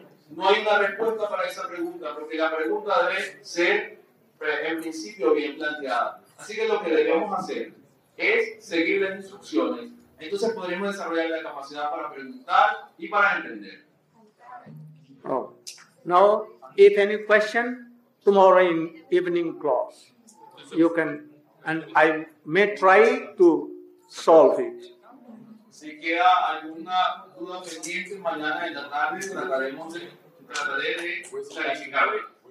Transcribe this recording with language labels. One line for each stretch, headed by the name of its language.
Spanish: No hay una respuesta para esa pregunta, porque la pregunta debe ser, en principio, bien planteada. Así que lo que debemos hacer es seguir las instrucciones. Entonces podremos desarrollar la capacidad para preguntar y para entender. Oh.
English: Now, if any question, tomorrow in evening class, you can, and I may try to solve it.
Spanish: Si queda alguna duda pendiente, mañana en la tarde trataré de clarificarla.